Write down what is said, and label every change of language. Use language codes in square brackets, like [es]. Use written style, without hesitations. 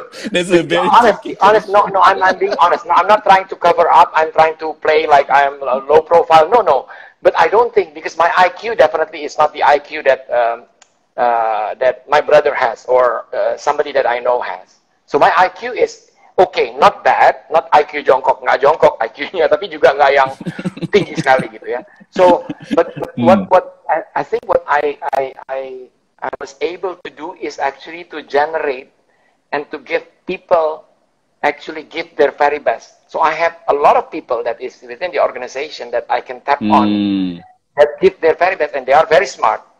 [en] That's a very honest, I'm being honest. No, I'm not trying to cover up. I'm trying to play like I'm a low profile. No, no. But I don't think, because my IQ definitely is not the IQ that that my brother has or somebody that I know has. So my IQ is okay, not bad, not IQ jongkok, [id] nggak jongkok IQ-nya, tapi juga nggak yang tinggi sekali gitu ya. [en] So, but what I was able to do is actually to generate and to give people, actually give their very best. So I have a lot of people that is within the organization that I can tap on, that give their very best, and they are very smart.